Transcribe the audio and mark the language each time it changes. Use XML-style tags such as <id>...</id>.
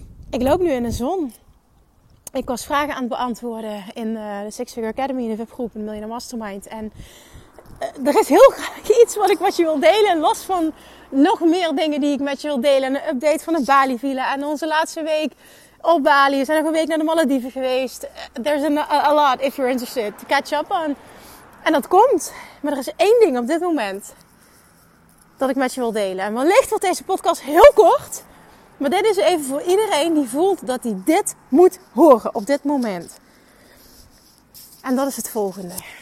<nl>Ik loop nu in de zon. Ik was vragen aan het beantwoorden in de Six Figure Academy, in de VIP-groep, in de Millionaire Mastermind. En er is heel graag iets wat ik met je wil delen, los van nog meer dingen die ik met je wil delen. Een update van de Bali Villa en onze laatste week op Bali. We zijn nog een week naar de Malediven geweest.</nl> <en>There's a lot if you're interested to catch up on.</en> <nl>En dat komt. Maar er is één ding op dit moment dat ik met je wil delen. En wellicht wordt deze podcast heel kort. Maar dit is even voor iedereen die voelt dat hij dit moet horen op dit moment. En dat is het volgende.</nl>